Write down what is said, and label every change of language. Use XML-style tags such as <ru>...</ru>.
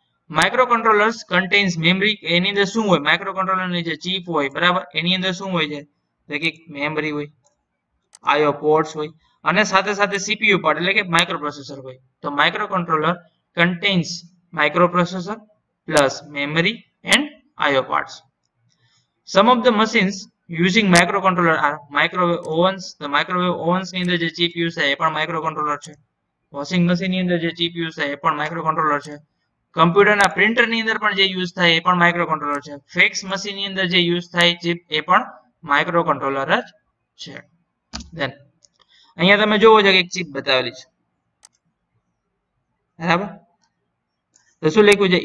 <en>microcontrollers contains memory,</en> <gu>એની અંદર શું હોય? માઇક્રોકન્ટ્રોલરની જે ચિપ હોય, બરાબર, એની અંદર શું હોય છે? તો કે મેમરી હોય, આયો પોર્ટ્સ હોય, અને સાથે સાથે સીપીયુ પાર્ટ એટલે કે માઇક્રોપ્રોસેસર હોય.</gu> <en>તો microcontroller contains microprocessor plus memory and I O parts. Some of the machines using microcontroller are microwave ovens. The microwave ovens</en> <gu>ની અંદર જે ચિપ યુઝ થાય એ પણ માઇક્રોકન્ટ્રોલર છે. વોશિંગ મશીન ની અંદર જે ચિપ યુઝ થાય એ પણ માઇક્રોકન્ટ્રોલર છે. કમ્પ્યુટરના પ્રિન્ટર ની અંદર પણ જે યુઝ થાય એ પણ માઇક્રોકન્ટ્રોલર છે. ફેક્સ મશીન ની અંદર જે યુઝ થાય ચિપ એ પણ માઇક્રોકન્ટ્રોલર જ છે. ધેન અહીંયા તમે જોવો છો કે એક ચિપ બતાવેલી છે, બરાબર. તો શું લખ્યું છે?</gu>